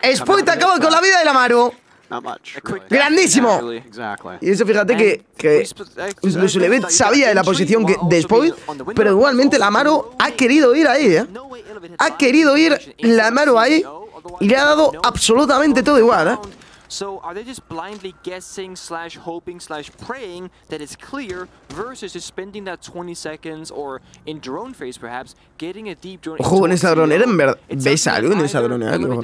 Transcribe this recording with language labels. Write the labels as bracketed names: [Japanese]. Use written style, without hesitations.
[Spanish] Speed acaba con la vida de la Maru. ¡Grandísimo! Y eso, fíjate que incluso Levitt sabía de la posición de Spoil, pero igualmente la Maru ha querido ir ahí, ¿eh? Ha querido ir la Maru ahí y le ha dado absolutamente todo igual, ¿eh? [English] So are they just blindly guessing slash hoping slash praying that it's clear versus just spending that 20 seconds or in drone phase perhaps getting a deep drone? [Spanish] Ojo, en esa dronera, en verdad, ¿ves algo en esa dronera?